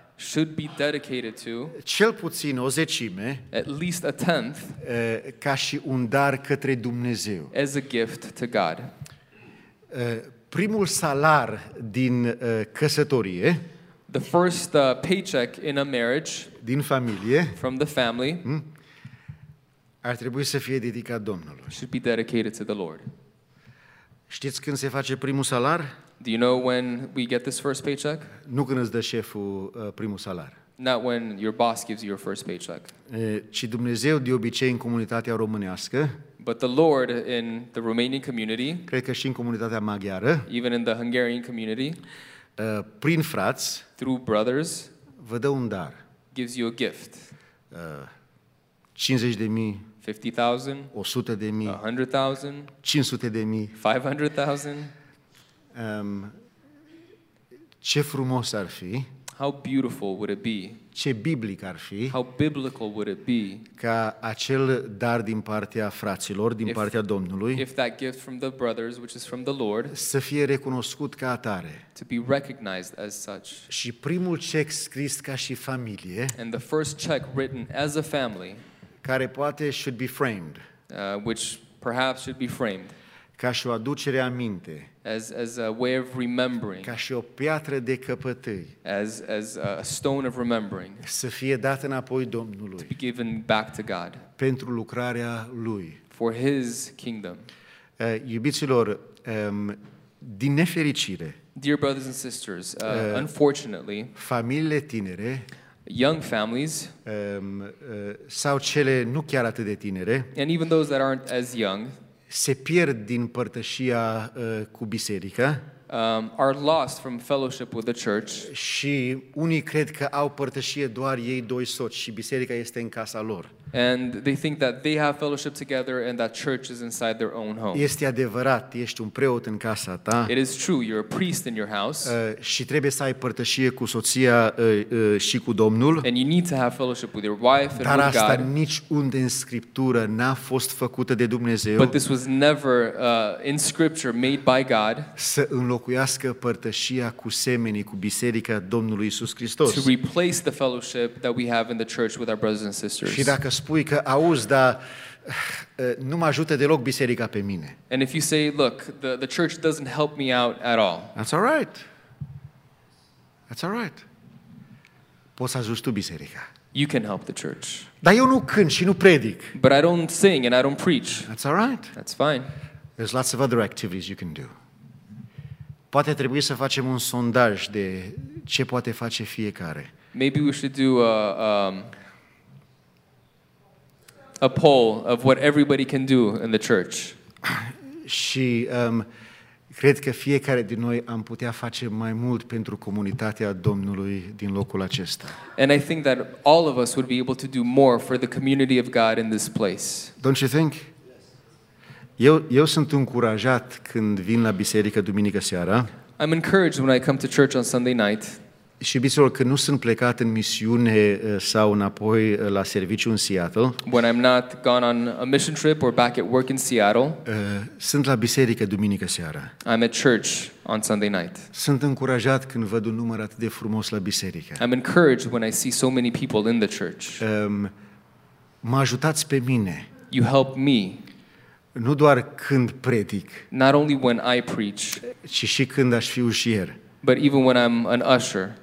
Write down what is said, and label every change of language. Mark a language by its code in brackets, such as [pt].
[en] should be dedicated to, [ro] cel puțin o zecime, [en] at least a tenth, [ro] ca și un dar către Dumnezeu, [en] as a gift to God. [ro] Primul salar din căsătorie, [en] the first paycheck in a marriage, [ro] din familie, [en] from the family, [ro] ar trebui să fie dedicat Domnului. [en] Should be dedicated to the Lord. [ro] Știți când se face primul salar? [en] Do you know when we get this first paycheck? [ro] Nu când îți dă șeful primul salar. [en] Not when your boss gives you your first paycheck. [ro] Ci Dumnezeu de obicei în comunitatea românească. [en] But the Lord in the Romanian community. [ro] Cred că și în comunitatea maghiară. [en] Even in the Hungarian community. [ro] Prin frați. [en] Through brothers. [ro] Vă dă un dar. [en] Gives you a gift. [ro] 50.000, [en] 50,000, [ro] 100.000, [en] 100,000, [ro] 500.000, [en] 500,000. [ro] Ce frumos ar fi. [en] How beautiful would it be? [ro] Ce biblic ar fi. [en] How biblical would it be? [ro] Ca acel dar din partea fraților, din partea Domnului, [en] if that gift from the brothers, which is from the Lord, [ro] să fie recunoscut ca atare. [en] To be recognized as such. [ro] Și primul check scris ca și familie. [en] And the first check written as a family. [ro] Care poate [en] should be framed. which perhaps should be framed. [ro] Ca și o aducere a minte. [en] As a way of remembering. [ro] Ca și o piatră de căpătâi. [en] As a stone of remembering. [ro] Să fie dat înapoi Domnului. [en] To be given back to God. [ro] Pentru lucrarea Lui. [en] For His kingdom. [ro] Iubiților, din nefericire. [en] Dear brothers and sisters, unfortunately. [ro] Familiile tinere. [en] Young families, [ro] sau cele nu chiar atât de tinere, [en] and even those that aren't as young, [ro] se pierd din părtășia cu biserica, [en] are lost from fellowship with the church, [ro] și unii cred că au părtășie doar ei doi soți și biserica este în casa lor. [en] And they think that they have fellowship together and that church is inside their own home. [ro] Este adevărat, ești un preot în casa ta. [en] It is true, you're a priest in your house. [ro] Și trebuie să ai părtășie cu soția și cu Domnul. [en] And you need to have fellowship with your wife and with God. [ro] Dar asta niciunde în Scriptură n-a fost făcută de Dumnezeu. [en] But this was never in Scripture made by God. [ro] Să înlocuiască părtășia cu semenii, cu biserica Domnului Iisus Hristos. [en] To replace the fellowship that we have in the church with our brothers and sisters. [ro] Că spui că auzi, dar nu mă ajută deloc biserica pe mine. [en] And if you say, look, the church doesn't help me out at all. That's all right. That's all right. [ro] Poți ajuta tu biserica. [en] You can help the church. [ro] Dar eu nu cânt și nu predic. [en] But I don't sing and I don't preach. That's all right. That's fine. There's lots of other activities you can do. [ro] Poate trebuie să facem un sondaj de ce poate face fiecare. [en] Maybe we should do a poll of what everybody can do in the church. [ro] Și cred că fiecare din noi am putea face mai mult pentru comunitatea Domnului din locul acesta. [en] And I think that all of us would be able to do more for the community of God in this place. Don't you think? [ro] Eu sunt încurajat când vin la biserică duminică seara. [en] I'm encouraged when I come to church on Sunday night. [ro] Și biserică, că nu sunt plecat în misiune sau înapoi la serviciu în Seattle. [en] When I'm not gone on a mission trip or back at work in Seattle. [ro] Sunt la biserică duminică seara. [en] I'm at church on Sunday night. [ro] Sunt încurajat când văd un număr atât de frumos la biserică. [en] I'm encouraged when I see so many people in the church. [ro] Mă ajutați pe mine. [en] You help me. [ro] Nu doar când predic. [en] Not only when I preach. [ro] Ci și când aș fi ușier. [en] But even when I'm an usher.